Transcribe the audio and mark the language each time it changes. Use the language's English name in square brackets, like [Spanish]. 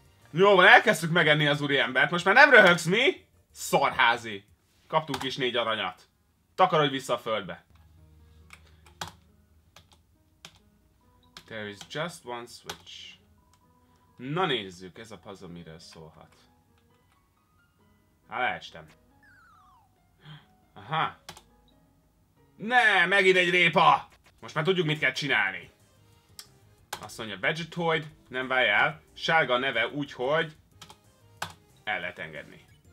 [Hungarian] Jó, van, elkezdtük megenni az úriembert, most már nem röhögsz, mi? Szarházi. Kaptunk is 4 aranyat. Takarodj vissza a földbe. [English] There is just one switch. [Hungarian] Na nézzük, ez a puzzle miről szólhat. Hát leestem. Aha. Ne, megint egy répa! Most már tudjuk, mit kell csinálni. Azt mondja, Vegetoid, nem válj el. Sárga a neve úgy, hogy el lehet engedni.